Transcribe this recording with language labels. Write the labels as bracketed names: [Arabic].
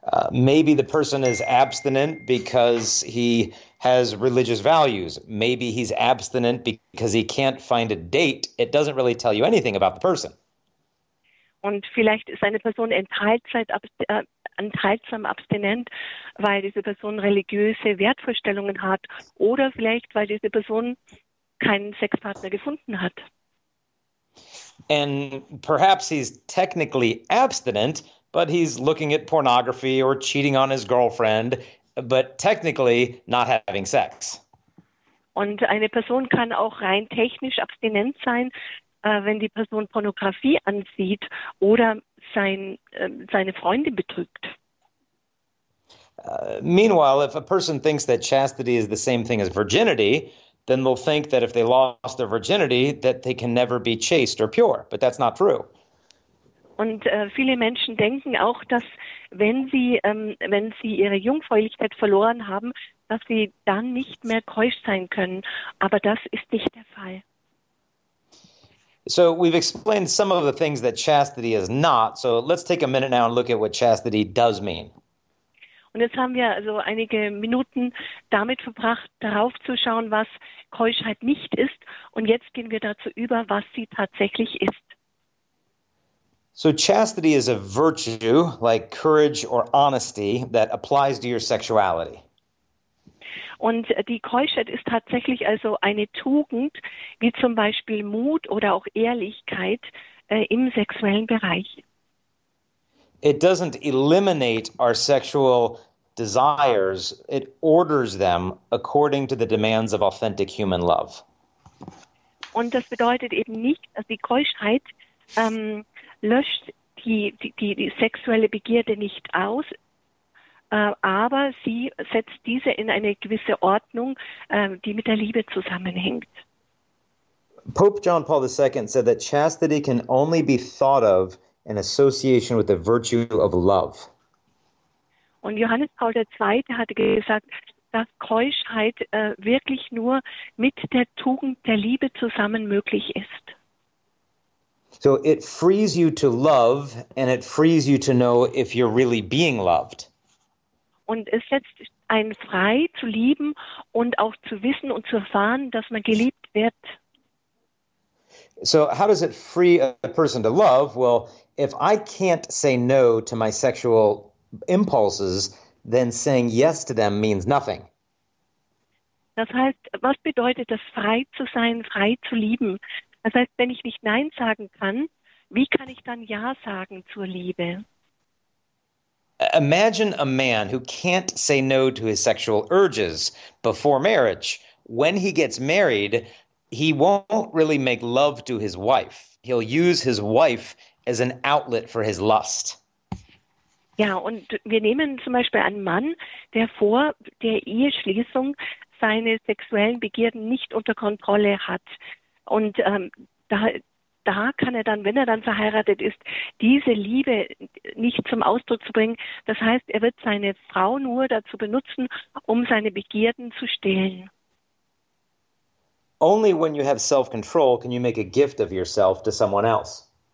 [English] Maybe the person is abstinent because he has religious values. Maybe he's abstinent because he can't find a date. It doesn't really tell you anything about the person. [German] Und vielleicht ist eine Person enthaltsam abstinent, weil diese Person religiöse Wertvorstellungen hat oder vielleicht, weil diese Person keinen Sexpartner gefunden hat. [English] And perhaps he's technically abstinent. But he's looking at pornography or cheating on his girlfriend, but technically not having sex. [German] Und eine Person kann auch rein technisch abstinent sein, wenn die Person Pornografie ansieht oder seine Freunde betrügt. [English] Meanwhile, if a person thinks that chastity is the same thing as virginity, then they'll think that if they lost their virginity, that they can never be chaste or pure. But that's not true. [German] Und viele Menschen denken auch, dass wenn sie ihre Jungfräulichkeit verloren haben, dass sie dann nicht mehr keusch sein können. Aber das ist nicht der Fall. [English] So we've explained some of the things that chastity is not. So let's take a minute now and look at what chastity does mean. [German] Und jetzt haben wir also einige Minuten damit verbracht, darauf zu schauen, was Keuschheit nicht ist. Und jetzt gehen wir dazu über, was sie tatsächlich ist. [English] So chastity is a virtue like courage or honesty that applies to your sexuality. [German] Und die Keuschheit ist tatsächlich also eine Tugend, wie zum Beispiel Mut oder auch Ehrlichkeit im sexuellen Bereich. [English] It doesn't eliminate our sexual desires. It orders them according to the demands of authentic human love. [German] Und das bedeutet eben nicht, dass die Keuschheit löscht die sexuelle Begierde nicht aus. Aber sie setzt diese in eine gewisse Ordnung, die mit der Liebe zusammenhängt. [English] Pope John Paul II said that chastity can only be thought of in association with the virtue of love. [German] Und Johannes Paul II. Hatte gesagt, dass Keuschheit wirklich nur mit der Tugend der Liebe zusammen möglich ist. [English] So it frees you to love and it frees you to know if you're really being loved. [German] Und es setzt einen frei zu lieben und auch zu wissen und zu erfahren, dass man geliebt wird. [English] So how does it free a person to love? Well, if I can't say no to my sexual impulses, then saying yes to them means nothing. [German] Das heißt, was bedeutet das, frei zu sein, frei zu lieben? Das heißt, wenn ich nicht Nein sagen kann, wie kann ich dann Ja sagen zur Liebe? [English] Imagine a man who can't say no to his sexual urges before marriage. When he gets married, he won't really make love to his wife. He'll use his wife as an outlet for his lust. [German] Ja, und wir nehmen zum Beispiel einen Mann, der vor der Eheschließung seine sexuellen Begierden nicht unter Kontrolle hat. Und da kann er dann, wenn er dann verheiratet ist, diese Liebe nicht zum Ausdruck zu bringen. Das heißt, er wird seine Frau nur dazu benutzen, um seine Begierden zu stillen. [English] Only when you have self-control can you make a gift of yourself to someone else.